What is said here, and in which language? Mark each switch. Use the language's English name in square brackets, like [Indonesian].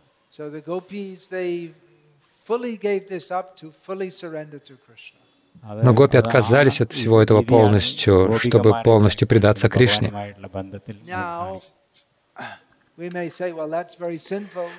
[English] So the gopis, they fully gave this up to fully surrender to Krishna. [Russian] Но гопи отказались от всего этого полностью, чтобы полностью предаться Кришне. [English] Now, we may say, well, that's very sinful.